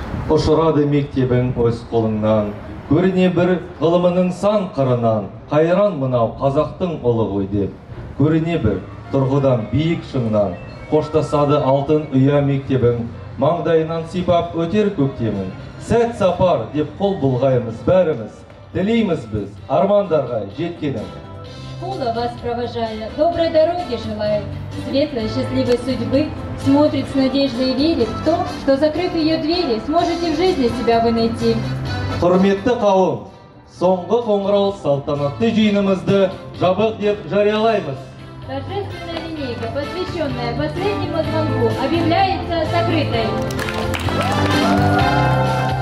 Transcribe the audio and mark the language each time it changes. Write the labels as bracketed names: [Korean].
[Kazakh] Ұшырады мектебін өз қолыңнан, көріне бір ғылымының сан қырынан, қайран мынау қазақтың ұлы ғой деп, көріне бір тұрғыдан биік шыңнан, қоштасады алтын ұя мектебін, маңдайынан сипап өтер көктемін, сәт сапар деп қол бұлғаймыз бәріміз, тілейміз біз армандарға жеткенін. [Russian] Школа вас провожая, доброй дороги желает. Светлой, счастливой судьбы смотрит с надеждой и верит в то, что, закрыв ее двери, сможете в жизни себя вы найти. [Kazakh] Құрметті қауым, соңғы қоңырау салтанатты жиынымызды жабық деп жариялаймыз. [Russian] Торжественная линейка, посвященная последнему звонку, объявляется закрытой.